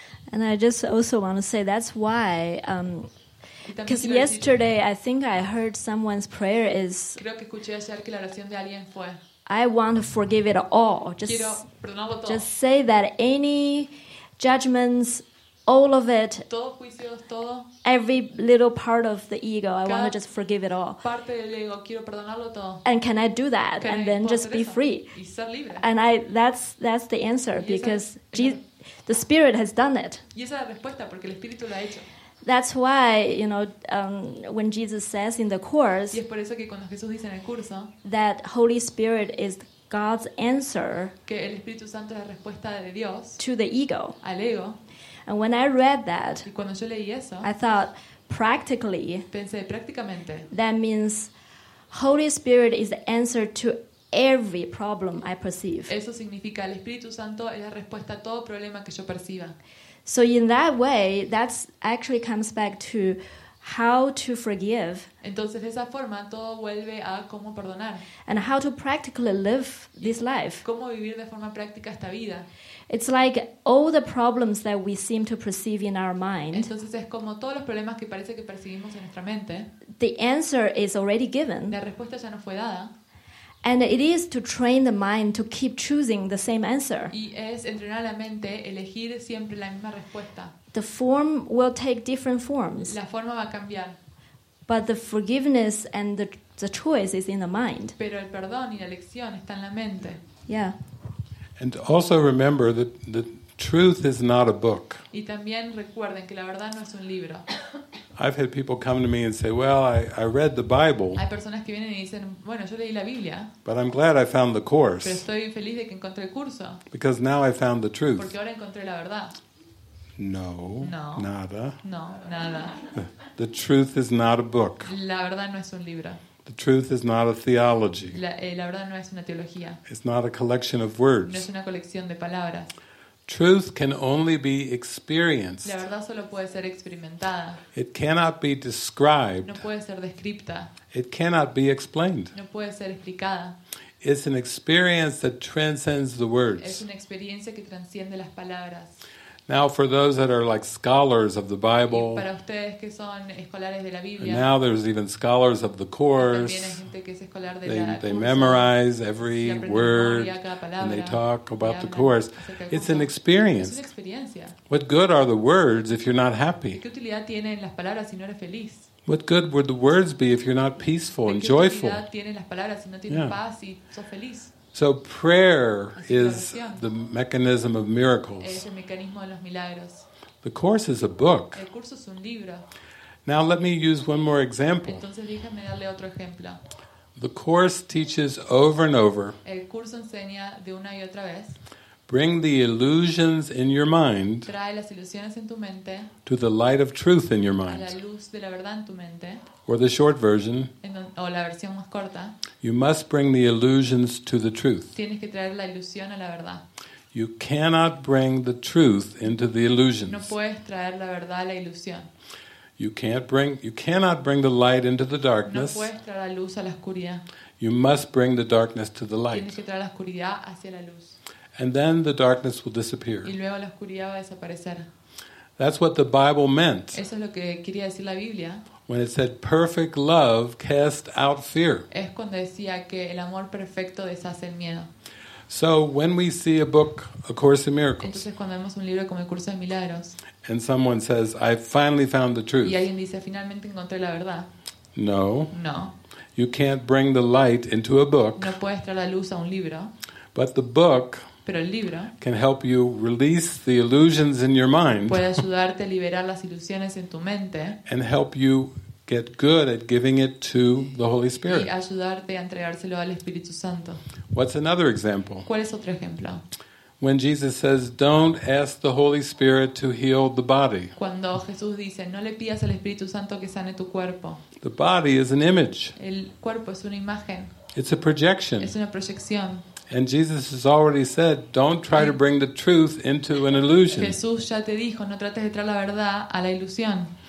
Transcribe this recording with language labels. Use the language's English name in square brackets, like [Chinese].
[English] And I just also want to say that's why, because yesterday I think I heard someone's prayer is, [Spanish] creo que escuché ayer que la oración de alguien fue, [English] I want to forgive it all. Just, [Spanish] quiero perdonarlo todo. [English] Just say that any judgments, all of it, [Spanish] todo juicios, todo, [English] every little part of the ego, I want to just forgive it all. [Spanish] Parte del ego, quiero perdonarlo todo. [English] And can I do that? Okay, and then just be [Spanish] eso. [English] Free. [Spanish] Y ser libre. [English] And that's the answer, because Jesus. The Spirit has done it. [Spanish] Y esa es la respuesta, porque el Espíritu lo ha hecho. [English] That's why, you know, when Jesus says in the Course, [Spanish] y es por eso que cuando Jesús dice en el curso, [English] that Holy Spirit is God's answer, [Spanish] que el Espíritu Santo es la respuesta de Dios, [English] to the ego. [Spanish] Al ego. [English] And when I read that, [Spanish] y cuando yo leí eso, [English] I thought, practically, [Spanish] pensé, prácticamente, [English] that means Holy Spirit is the answer to every problem I perceive. [Spanish] Eso significa el Espíritu Santo es la respuesta a todo problema que yo perciba. [English] So in that way, that's actually comes back to how to forgive. [Spanish] Entonces, de esa forma, todo vuelve a cómo perdonar. [English] And how to practically live this life. [Spanish] Cómo vivir de forma práctica esta vida. [English] It's like all the problems that we seem to perceive in our mind. [Spanish] Entonces es como todos los problemas que parece que percibimos en nuestra mente. [English] The answer is already given. [Spanish] La respuesta ya nos fue dada. [English] And it is to train the mind to keep choosing the same answer. [Spanish] Y es entrenar la mente a elegir siempre la misma respuesta. [English] The form will take different forms. [Spanish] La forma va a cambiar. [English] But the forgiveness and the choice is in the mind. [Spanish] Pero el perdón y la elección está en la mente. [English] Yeah. And also remember that the truth is not a book. [Spanish] Y también recuerden que la verdad no es un libro. [English] I've had people come to me and say, "Well, I read the Bible." [Spanish] Hay personas que vienen y dicen, "Bueno, yo leí la Biblia." [English] But I'm glad I found the course. [Spanish] Pero estoy feliz de que encontré el curso. [English] Because now I found the truth. [Spanish] Porque ahora encontré la verdad. [English] No. [Spanish] No. Nada. No, nada. [English] The truth is not a book. [Spanish] La verdad no es un libro. [English] The truth is not a theology. [Spanish] La verdad no es una teología. [English] It's not a collection of words. [Spanish] No es una colección de palabras. [English] Truth can only be experienced. [Spanish] La verdad solo puede ser experimentada. [English] It cannot be described. [Spanish] No puede ser descripta. [English] It cannot be explained. [Spanish] No puede ser explicada. [English] It's an experience that transcends the words. [Spanish] Es una experiencia que transciende las palabras. [English] Now, for those that are like scholars of the Bible, [Spanish] para ustedes que son escolares de la Biblia, [English] now there's even scholars of the Course. [Spanish] También hay gente que es escolar de [English] they, [Spanish] la curso, [English] they memorize every word [Spanish] palabra, [English] and they talk about the Course. It's an experience. [Spanish] Es una experiencia. [English] What good are the words if you're not happy? [Spanish] ¿Qué utilidad tienen las palabras si no eres feliz? [English] What good would the words be if you're not peaceful [Spanish] ¿Qué [English] and joyful? [Spanish] Utilidad tienen las palabras si no tienes yeah. paz y sos feliz? [English] So prayer is the mechanism of miracles. [Spanish] Es el mecanismo de los milagros. [English] The Course is a book. [Spanish] El curso es un libro. [English] Now let me use one more example. [Spanish] Entonces, déjame darle otro ejemplo. [English] The Course teaches over and over. [Spanish] El curso enseña de una y otra vez. [English] Bring the illusions in your mind. [Spanish] Trae las ilusiones en tu mente. [English] To the light of truth in your mind. [Spanish] A la luz de la verdad en tu mente. [English] Or the short version. [Spanish] O la versión más corta. [English] You must bring the illusions to the truth. [Spanish] Tienes que traer la ilusión a la verdad. [English] You cannot bring the truth into the illusions. [Spanish] No puedes traer la verdad a la ilusión. [English] You cannot bring the light into the darkness. [Spanish] No puedes traer la luz a la oscuridad. [English] You must bring the darkness to the light. [Spanish] Tienes que traer la oscuridad hacia la luz. [English] And then the darkness will disappear. [Spanish] Y luego la oscuridad va a desaparecer. [English] That's what the Bible meant. [Spanish] Eso es lo que quería decir la Biblia. [English] When it said perfect love cast out fear. [Spanish] Es cuando decía que el amor perfecto deshace el miedo. [English] So when we see a book, A Course in Miracles. [Spanish] Entonces cuando vemos un libro como El Curso de Milagros. [English] And someone says, I finally found the truth. [Spanish] Y alguien dice, finalmente encontré la verdad. [English] No. [Spanish] No. [English] You can't bring the light into a book. [Spanish] No puedes traer la luz a un libro. [English] But the book. [Spanish] Pero el libro [English] can help you release the illusions in your mind. [Spanish] Puede ayudarte a liberar las ilusiones en tu mente. [English] And help you get good at giving it to the Holy Spirit. [Spanish] Y ayudarte a entregárselo al Espíritu Santo. [English] What's another example? [Spanish] ¿Cuál es otro ejemplo? [English] When Jesus says, "Don't ask the Holy Spirit to heal the body." [Spanish] Cuando Jesús dice, "No le pidas al Espíritu Santo que sane tu cuerpo." [English] The body is an image. [Spanish] El cuerpo es una imagen. [English] It's a projection. [Spanish] Es una proyección. [English] And Jesus has already said, "Don't try to bring the truth into an illusion." [Spanish] Jesús ya te dijo, no trates de traer la verdad a la ilusión.